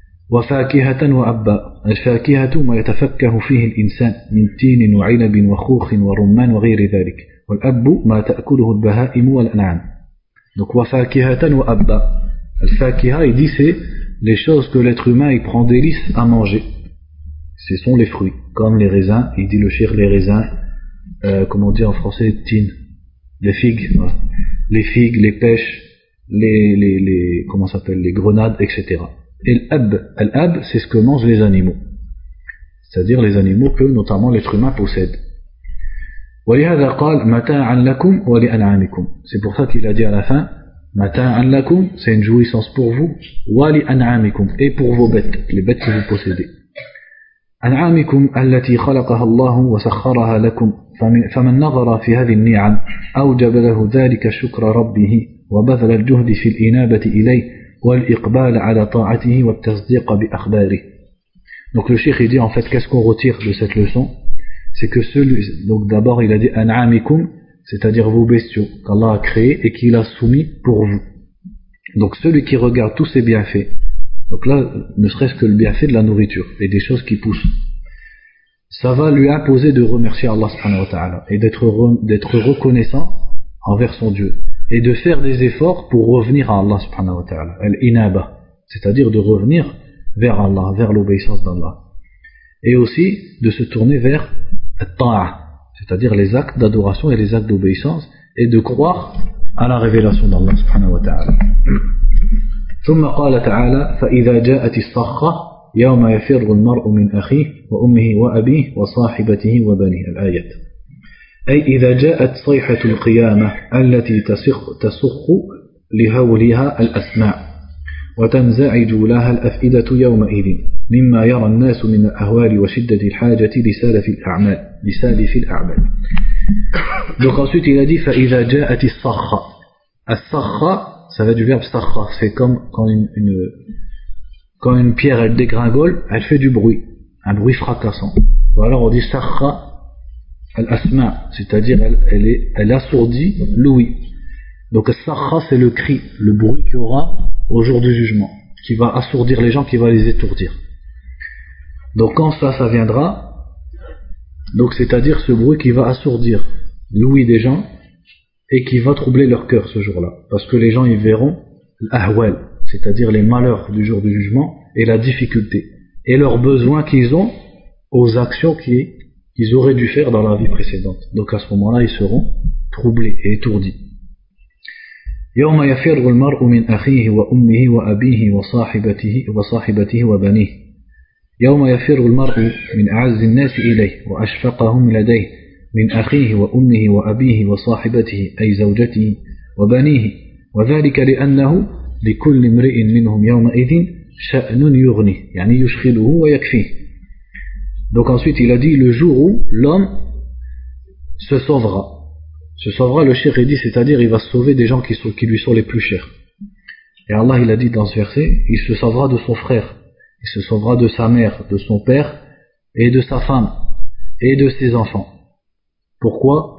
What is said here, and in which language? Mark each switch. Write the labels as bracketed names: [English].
[Arabic] وفاكهة وأبا، الفاكهة ما يتفكه فيه الإنسان من تين وعنب وخوخ ورمان وغير ذلك، والأب ما تأكله البهائم والأنعام. [French] Donc [Arabic] وفاكهة وأبا، الفاكهة [French] il dit c'est les choses que l'être humain il prend délice à manger. Ce sont les fruits, comme les raisins. Il dit le chir, les raisins, comment on dit en français, tin, les figues, voilà. Les figues, les pêches, les comment s'appelle, les grenades, etc. Et l'ab, c'est ce que mangent les animaux. C'est-à-dire les animaux que notamment l'être humain possède. [Arabic] وَلِهَذَا قَالْ مَتَاعًا لَكُمْ وَلِأَنْعَامِكُمْ. [French] C'est pour ça qu'il a dit à la fin, [Arabic] مَتَاعًا لَكُمْ, [French] c'est une jouissance pour vous, وَلِأَنْعَامِكُمْ, et pour vos bêtes, les bêtes que vous possédez. [Arabic] أنعامكم التي خلقها الله وسخرها لكم فمن نظر في هذه النعم أوجب له ذلك شكر ربه وبذل الجهد في الإنابة إليه والإقبال على طاعته والتصديق بأخباره. [French] Donc le cheikh dit en fait qu'est-ce qu'on retire de cette leçon, c'est que celui, donc d'abord il a dit أنعامكم, c'est-à-dire vos bestiaux qu'Allah a créés et qu'il a soumis pour vous. Donc celui qui regarde tous ses bienfaits. Donc là, ne serait-ce que le bienfait de la nourriture et des choses qui poussent, ça va lui imposer de remercier Allah subhanahu wa ta'ala et d'être reconnaissant envers son Dieu et de faire des efforts pour revenir à Allah subhanahu wa ta'ala, al-inaba, c'est-à-dire de revenir vers Allah, vers l'obéissance d'Allah, et aussi de se tourner vers al-ta'a, c'est-à-dire les actes d'adoration et les actes d'obéissance, et de croire à la révélation d'Allah subhanahu wa ta'ala. [Arabic] ثم قال تعالى فإذا جاءت الصخة يوم يفر المرء من أخيه وأمه وأبيه وصاحبته وبنيه الآية أي إذا جاءت صيحة القيامة التي تصخ لهولها الأسماء وتنزعج لها الأفئدة يومئذ مما يرى الناس من الأهوال وشدة الحاجة لسالف الأعمال لسالف الأعمال. [French] Donc ensuite il a dit [Arabic] فإذا جاءت الصخة. [French] الصخة ça va du verbe sakha, c'est comme quand une pierre elle dégringole, elle fait du bruit, un bruit fracassant. Ou alors on dit [Arabic] sakha al-asma, [French] c'est-à-dire elle assourdit l'ouïe. Donc sakha c'est le cri, le bruit qu'il y aura au jour du jugement, qui va assourdir les gens, qui va les étourdir. Donc quand ça viendra, donc c'est-à-dire ce bruit qui va assourdir l'ouïe des gens, et qui va troubler leur cœur ce jour-là, parce que les gens y verront l'ahwal, c'est-à-dire les malheurs du jour du jugement et la difficulté et leurs besoins qu'ils ont aux actions qu'ils auraient dû faire dans la vie précédente. Donc à ce moment-là, ils seront troublés et étourdis. [Arabic] يَوْمَ يَفِرُّ الْمَرْءُ مِنْ أَخِيهِ وَأُمِّهِ وَأَبِيهِ وَصَاحِبَتِهِ وَبَنِيهِ يَوْمَ يَفِرُّ الْمَرْءُ مِنْ أَعَزِّ النَّاسِ إِلَيْهِ وَأَشْفَقَهُمْ لَدَيْهِ من أخيه وأمه وأبيه وصاحبته أي زوجته وبنيه، وذلك لأنه لكل امرئ منهم يومئذ شأن يغني يعني يشغله ويكفيه. [French] Donc ensuite il a dit le jour où l'homme se sauvera, le cheikh dit, c'est-à-dire il va sauver des gens qui lui sont les plus chers. Et Allah il a dit dans ce verset, il se sauvera de son frère, il se sauvera de sa mère, de son père et de sa femme et de ses enfants. Pourquoi ?